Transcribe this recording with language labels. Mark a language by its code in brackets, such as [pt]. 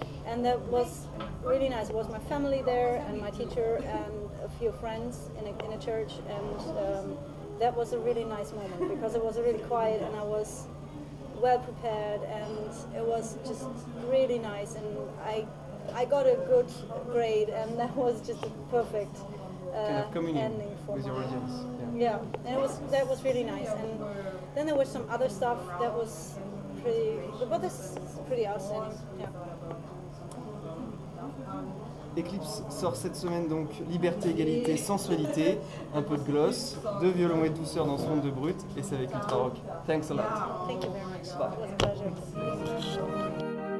[en] And that was really nice. It was my family there and my teacher and a few friends in a church, and that was a really nice moment because it was really quiet and I was well prepared, and it was just really nice, and I got a good grade, and that was just a perfect ending for with your audience. Yeah, and that was really nice. And then there was some other stuff that was pretty, but this is pretty outstanding. Yeah. [fr] Eclipse sort cette semaine, donc Liberté, Égalité, Sensualité, un peu de gloss, deux violons et douceur dans ce monde de brut, et c'est avec Ultrarock. [en] Thanks a lot. Thank you very much. Bye. It was a pleasure.